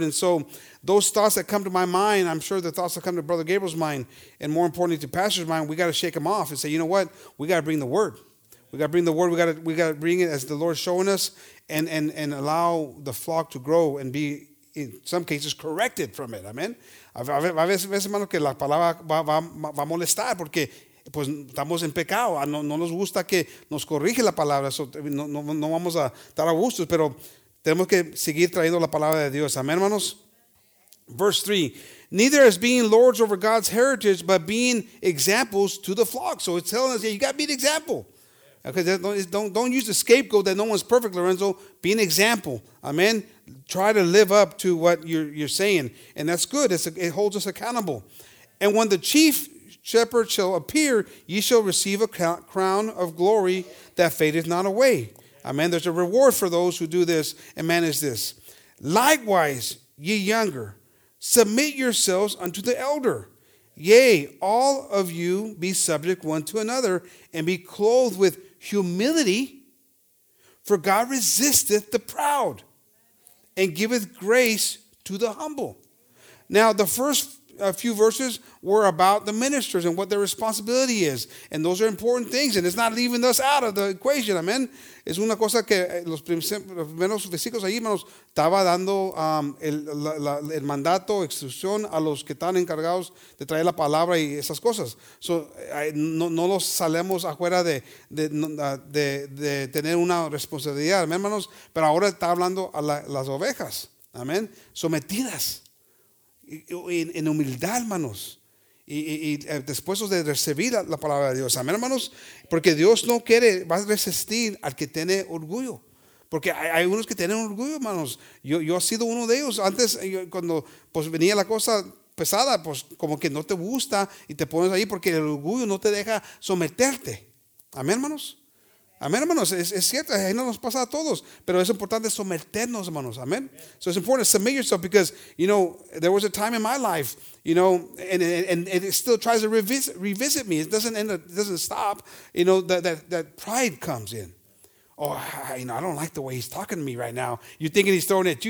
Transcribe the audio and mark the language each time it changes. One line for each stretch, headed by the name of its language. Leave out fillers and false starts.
English: And so those thoughts that come to my mind, I'm sure the thoughts that come to Brother Gabriel's mind, and more importantly to pastor's mind, we got to shake them off and say, you know what? We got to bring the word. We got to bring the word. We got to bring it as the Lord's showing us, and allow the flock to grow and be in some cases corrected from it. Amen.
Spanish: A veces, hermano, que la palabra va a molestar porque pues estamos en pecado. No nos gusta que nos corrige la palabra. No vamos a estar a gusto, pero tenemos que seguir trayendo la palabra de Dios.
English: Amen, hermanos. Verse 3. Neither as being lords over God's heritage, but being examples to the flock. So it's telling us, yeah, you got to be an example. Okay, don't use the scapegoat that no one's perfect, Lorenzo. Be an example. Amen. Try to live up to what you're saying. And that's good. It holds us accountable. And when the chief shepherd shall appear, ye shall receive a crown of glory that fadeth not away. Amen. There's a reward for those who do this and manage this. Likewise, ye younger, submit yourselves unto the elder. Yea, all of you be subject one to another and be clothed with humility, for God resisteth the proud and giveth grace to the humble. Now, the first few verses were about the ministers and what their responsibility is. And those are important things. And it's not leaving us out of the equation. Amen.
Spanish: Es una cosa que los primeros versículos ahí, hermanos, estaba dando el mandato, instrucción a los que están encargados de traer la palabra y esas cosas. So, no los salemos afuera de tener una responsabilidad. Amen, hermanos. Pero ahora está hablando a las ovejas. Amen. Sometidas. En humildad, hermanos, y después de recibir la palabra de Dios, amén, hermanos, porque Dios no quiere, va a resistir al que tiene orgullo, porque hay unos que tienen orgullo, hermanos. Yo he sido uno de ellos antes, cuando pues venía la cosa pesada, pues como que no te gusta y te pones ahí porque el orgullo no te deja someterte, amén, hermanos. Amén, hermanos, es cierto, ahí no nos pasa a todos, pero es importante someternos, hermanos, amén.
English: So it's important to submit yourself because, you know, there was a time in my life, you know, and it still tries to revisit me. It doesn't stop, you know, that pride comes in. Oh, you know, I don't like the way he's talking to me right now. You're thinking he's throwing it at you.